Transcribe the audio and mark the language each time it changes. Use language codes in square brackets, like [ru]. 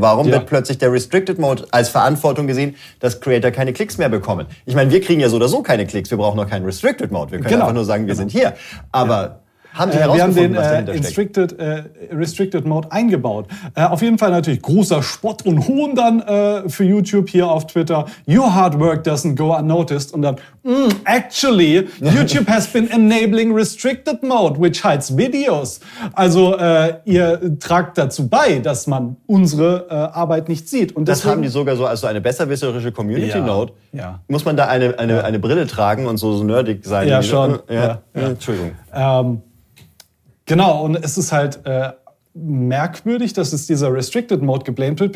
[de] Warum wird plötzlich der Restricted Mode als Verantwortung gesehen, dass Creator keine Klicks mehr bekommen? Ich meine, wir kriegen ja so oder so keine Klicks. Wir brauchen noch keinen Restricted Mode. Wir können einfach nur sagen, wir sind hier. Aber haben die herausgefunden, wir haben was dahinter steckt? Restricted Mode eingebaut. Auf jeden Fall natürlich großer Spott und Hohn dann für YouTube hier auf Twitter. [en] Your hard work doesn't go unnoticed. [de] Und dann, [en] actually, YouTube has been enabling Restricted Mode, which hides videos. [de] Also ihr tragt dazu bei, dass man unsere Arbeit nicht sieht. Und deswegen, das haben die sogar so als so eine besserwisserische Community-Note. Ja, ja. Muss man da eine Brille tragen und so nerdig sein? Ja, schon. Entschuldigung. Genau, und es ist halt merkwürdig, dass es dieser Restricted Mode geblamed wird.